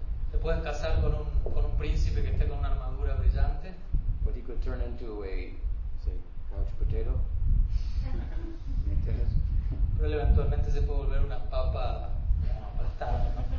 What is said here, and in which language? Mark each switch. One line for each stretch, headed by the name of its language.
Spanish: Te puedes casar con un príncipe que esté con una armadura brillante.
English: But he could turn into a, say, couch potato.
Spanish: ¿Me entiendes? Pero eventualmente se puede volver una papa aplastada.